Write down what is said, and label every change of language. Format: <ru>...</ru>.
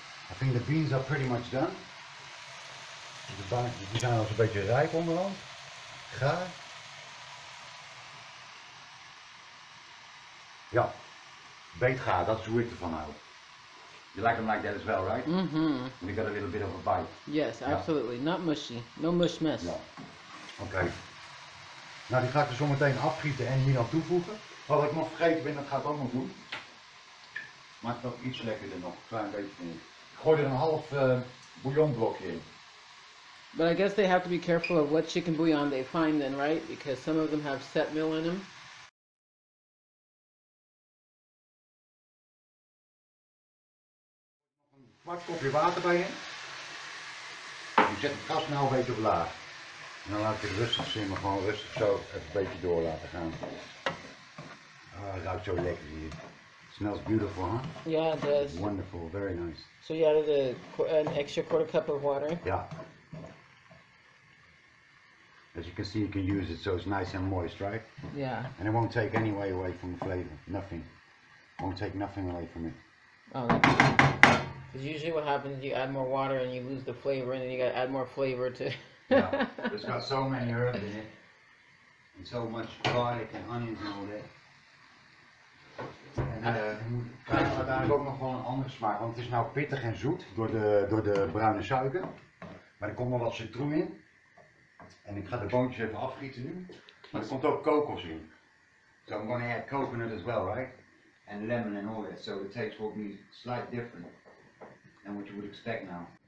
<en>I think the beans are pretty much done.</en> <nl>Die zijn al een beetje rijp onderhand. Gaar. Ja, beetgaar, dat is hoe ik ervan hou.</nl> <en>You like them like that as well, right? Mm-hmm. And you got a little bit of a bite. Yes, absolutely. Not mushy. No mush mess.</en> <nl>Ja. Oké. Nou, die ga ik er zo meteen afgieten en hier dan toevoegen. Wat ik nog vergeten ben, dat ga ik ook nog doen. Maakt het nog iets lekkerder nog, een klein beetje van. Ik gooi er een half bouillonblokje in.</nl> <en>But I guess they have to be careful of what chicken bouillon they find then, right? Because some of them have setmil in them.</en> <nl>Nog een kwart kopje water bij in. Je zet de kast nou een beetje op laag. En dan laat je het rustig simmen, gewoon rustig zo even een beetje door laten gaan. Ah, het ruikt zo lekker hier.</nl> <en>Smells beautiful, huh? Yeah, it does. Wonderful, very nice. So you added an extra quarter cup of water? Yeah. As you can see, you can use it so it's nice and moist, right? Yeah. And it won't take any way away from the flavor, nothing. Won't take nothing away from it. Oh, that's good. Because usually what happens, you add more water and you lose the flavor, and then you gotta add more flavor to... Yeah, it's got so many herbs in it, and so much garlic and onions and all that.</en> <nl>En krijgen we uiteindelijk ook nog wel een andere smaak, want het is nou pittig en zoet door de bruine suiker. Maar er komt nog wat citroen in. En ik ga de boontjes even afgieten nu. Maar er komt ook kokos in.</nl> <en>So I'm going to add coconut as well, right? And lemon and all that. So the taste will be slightly different than what you would expect now.</en>